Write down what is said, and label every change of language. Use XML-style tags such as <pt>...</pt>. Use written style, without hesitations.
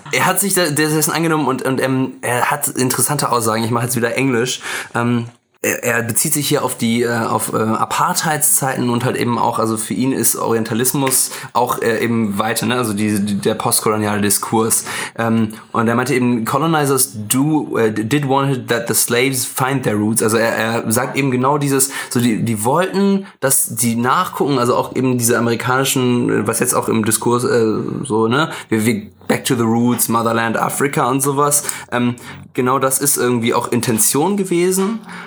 <de>Er hat sich dessen angenommen und er hat interessante Aussagen. Ich mache jetzt wieder Englisch. Er bezieht sich hier auf die auf Apartheidszeiten und halt eben auch, also für ihn ist Orientalismus auch eben weiter, ne? Also der postkoloniale Diskurs. Und er meinte eben,</de> <en>colonizers did want that the slaves find their roots.</en> <de>Also er sagt eben genau dieses, so die wollten, dass die nachgucken, also auch eben diese amerikanischen, was jetzt auch im Diskurs so, ne? Wir</de> <en>back to the roots,</en> <de>Motherland Africa und sowas. Genau das ist irgendwie auch Intention gewesen.</de>